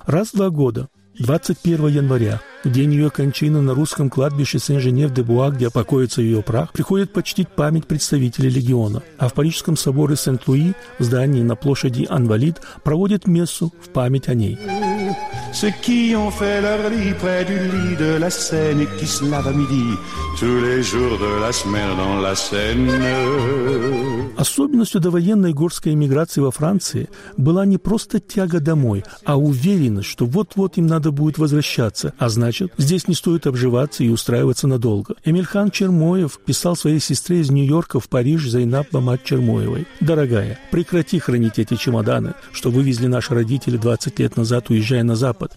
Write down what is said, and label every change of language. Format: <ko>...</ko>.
<ru>Раз в два года, 21 января, в день ее кончины на русском кладбище Сен-Женев-де-Буа, где покоится ее прах, приходит почтить память представителей легиона. А в Парижском соборе Сент-Луи, в здании на площади Инвалид, проводит мессу в память о ней.</ru> <fr>Ceux qui ont fait leur lit près du lit de la Seine et qui se lavent à midi tous les jours de la semaine dans la Seine.</fr> <ru>Особенностью довоенной горской эмиграции во Франции была не просто тяга домой, а уверенность, что вот-вот им надо будет возвращаться, а значит, здесь не стоит обживаться и устраиваться надолго. Эмильхан Чермоев писал своей сестре из Нью-Йорка в Париж Зайнаб Бамат Чермоевой: «Дорогая, прекрати хранить эти чемоданы, что вывезли наши родители 20 лет назад, уезжая на Запад.</ru>